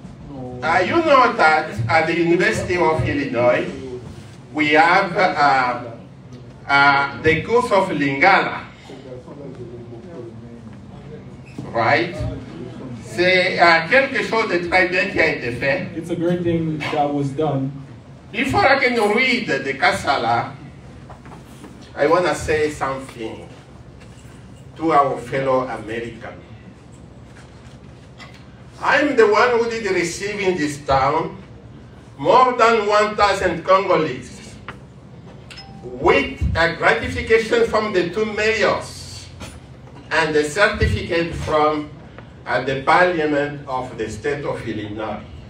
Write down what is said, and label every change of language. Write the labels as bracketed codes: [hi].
[en] You know that at the University of Illinois, we have the course of Lingala, right? [fr] C'est quelque chose de très bien qui a été fait. [en] It's a great thing that was done. Before I can read the Kassala, I want to say something to our fellow Americans. I'm the one who did receive in this town more than 1,000 Congolese with a gratification from the two mayors and a certificate from the parliament of the state of Illinois.